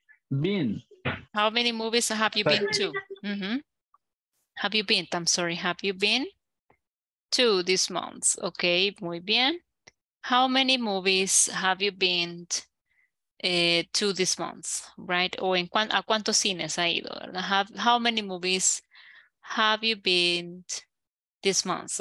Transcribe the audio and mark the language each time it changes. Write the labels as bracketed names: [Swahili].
[English] Been. How many movies have you been to? Mm-hmm. Have you been? I'm sorry. Have you been to this month? Okay, [Spanish] muy bien. [English] How many movies have you been to this month? Right? [Spanish] O en cuan, a cuántos cines ha ido? [English] How many movies have you been this month?